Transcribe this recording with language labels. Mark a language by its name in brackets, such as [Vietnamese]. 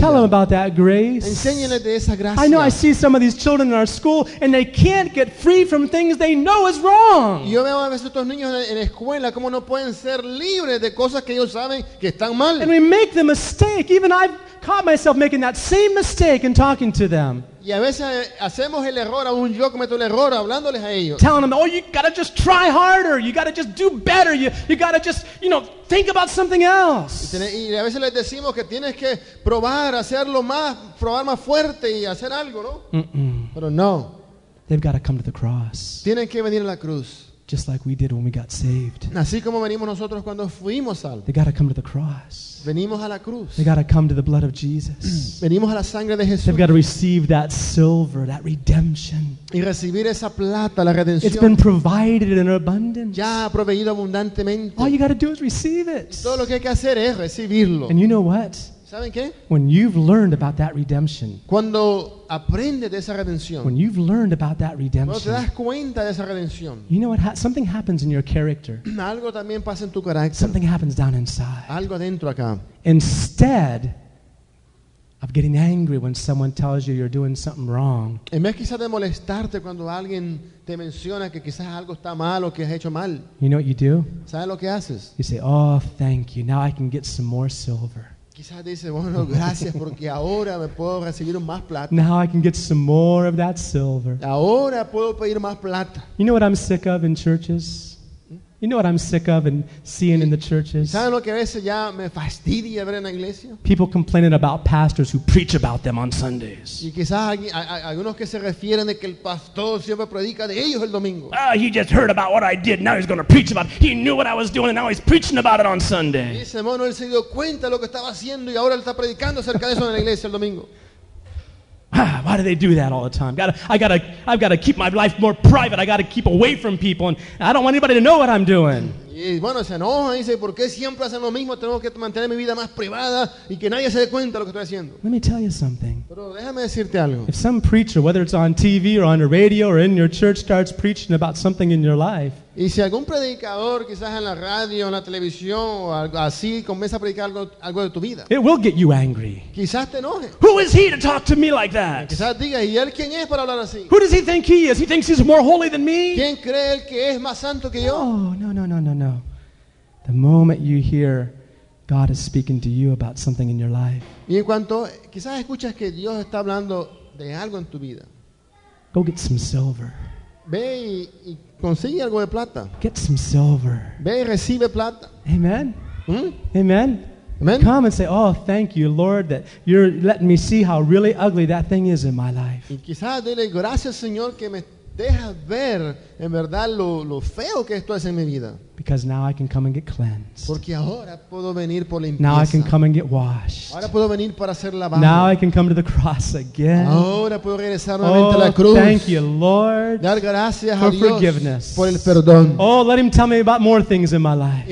[English] Tell them about that grace. [Spanish] Enséñales de esa gracia. [English] I know I see some of these children in our school and they can't get free from things they know is wrong. [Spanish] Yo veo a veces estos niños en escuela cómo no pueden ser libres de cosas que ellos saben que están mal. [English] And we make the mistake. Even I've caught myself making that same mistake in talking to them. [Spanish] Y a veces hacemos el error, aún yo cometo el error hablándoles a ellos. [English] Telling them, oh, you gotta just try harder. You gotta just do better. You gotta just, you know, think about something else. [Spanish] Y a veces les decimos que tienes que probar, hacerlo más, probar más fuerte y hacer algo, ¿no? Mm-mm. Pero no. [English] They've got to come to the cross. [Spanish] Tienen que venir a la cruz. [English] Just like we did when we got saved. [Spanish] Así como venimos nosotros cuando fuimos salvos. [English] They got to come to the cross. [Spanish] Venimos a la cruz. [English] They got to come to the blood of Jesus. [Spanish] Venimos a la sangre de Jesús. [English] They've got to receive that silver, that redemption. [Spanish] Y recibir esa plata, la redención. [English] It's been provided in abundance. [Spanish] Ya ha proveído abundantemente. [English] All you got to do is receive it. [Spanish] Todo lo que hay que hacer es recibirlo. [English] And you know what? [Spanish] ¿Saben qué? [English] When you've learned about that redemption. [Spanish] Cuando aprendes de esa redención. [English] When you've learned about that redemption. [Spanish] Cuando te das cuenta de esa redención. [English] You know what? Something happens in your character. [Spanish] Algo también pasa en tu carácter. [English] Something happens down inside. [Spanish] Algo adentro acá. [English] Instead of getting angry when someone tells you you're doing something wrong. [Spanish] En vez quizás de molestarte cuando alguien te menciona que quizás algo está mal o que has hecho mal. [English] You know what you do? [Spanish] ¿Sabes lo que haces? [English] You say, "Oh, thank you. Now I can get some more silver." [Spanish] Quizás dices, bueno, gracias porque ahora me puedo recibir más plata. [English] Now I can get some more of that silver. [Spanish] Ahora puedo pedir más plata. [English] You know what I'm sick of in churches? You know what I'm sick of and seeing in the churches? [Spanish] ¿Sabes lo que a veces ya me fastidia ver en la iglesia? [English] People complaining about pastors who preach about them on Sundays. [Spanish] Y quizás algunos que se refieren de que el pastor siempre predica de ellos el domingo. [English] Ah, he just heard about what I did. Now he's going to preach about it. He knew what I was doing, and now he's preaching about it on Sunday. [Spanish] Y ese mono, él se dio cuenta de lo que estaba haciendo y ahora él está predicando acerca de eso en la iglesia el domingo. [English] Why do they do that all the time? I've got to keep my life more private. I got to keep away from people, and I don't want anybody to know what I'm doing. [Spanish] Y bueno, se enoja y dice, ¿por qué siempre hacen lo mismo? Tengo que mantener mi vida más privada y que nadie se dé cuenta de lo que estoy haciendo. [English] Let me tell you something. [Spanish] Pero déjame decirte algo. [English] If some preacher, whether it's on TV or on the radio or in your church, starts preaching about something in your life. [Spanish] Y si algún predicador, quizás en la radio, en la televisión o algo así, comienza a predicar algo de tu vida. [English] It will get you angry. [Spanish] Quizás te enoje. [English] Who is he to talk to me like that? [Spanish] Y quizás diga, ¿y él quién es para hablar así? [English] Who does he think he is? He thinks he's more holy than me? [Spanish] ¿Quién cree él que es más santo que yo? [English] Oh, no. The moment you hear God is speaking to you about something in your life. [Spanish] Y en cuanto, quizás escuchas que Dios está hablando de algo en tu vida. [English] Go get some silver. [Spanish] Ve y consigue algo de plata. [English] Get some silver. [Spanish] Ve y recibe plata. [English] Amen. [Spanish] Amen. Amen. [English] Come and say, "Oh, thank you, Lord, that you're letting me see how really ugly that thing is in my life." [Spanish] Y quizás dile gracias, Señor, que me deja ver en verdad lo feo que esto es en mi vida. [English] Because now I can come and get cleansed. [Spanish] Porque ahora puedo venir por limpieza. [English] Now I can come and get washed. [Spanish] Ahora puedo venir para ser lavado. [English] Now I can come to the cross again. [Spanish] Ahora puedo regresar nuevamente a la cruz. [English] Oh, thank you, Lord. [Spanish] Dar gracias [English] for [Spanish] a Dios [English] forgiveness. [Spanish] Por el perdón. [English] Oh, let him tell me about more things in my life.